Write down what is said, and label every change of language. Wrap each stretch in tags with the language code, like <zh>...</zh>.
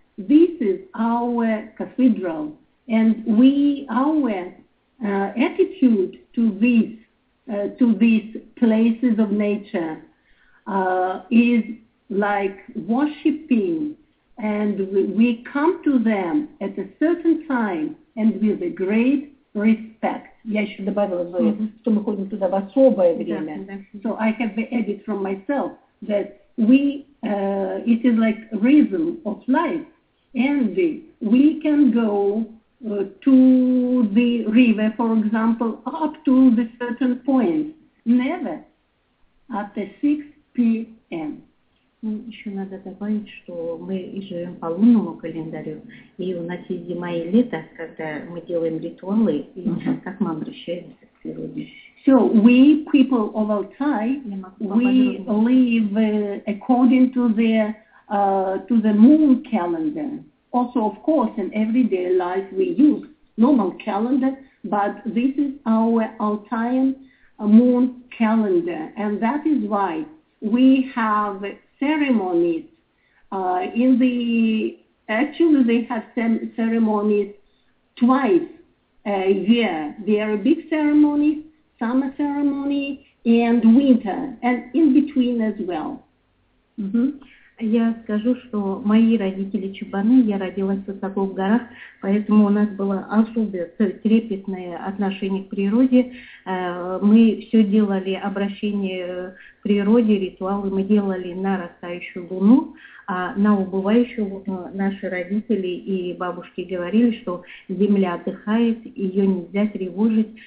<en>This is our cathedral. And we, our attitude to these places of nature is like worshipping. And we come to them at a certain time and with a great respect.</en> <ru>Я еще добавила, Зоя, что мы ходим туда в особое время.</ru> <en>So I have added from myself that we, it is like rhythm of life. And we can go to the river, for example, up to the certain point. Never at the 6 p.m.</en> <ru>Еще надо добавить, что мы и живем по лунному календарю, и у нас есть зима и лето, когда мы делаем ритуалы, и как мы обращаемся к природе.</ru> <en>So we, people of Altai, we live according to the moon calendar. Also, of course, in everyday life we use normal calendar, but this is our Altaian moon calendar. And that is why we have ceremonies in the, actually they have ceremonies twice a year. They are big ceremonies. Summer ceremony and winter, and in between as well.</en> <ru>Я скажу, что мои родители чубаны, я родилась высоко в горах, поэтому у нас было особое трепетное отношение к природе. Мы все делали обращение к природе, ритуалы мы делали на растающую луну, а на убывающую луну наши родители и бабушки говорили, что земля отдыхает, ее нельзя тревожить.</ru>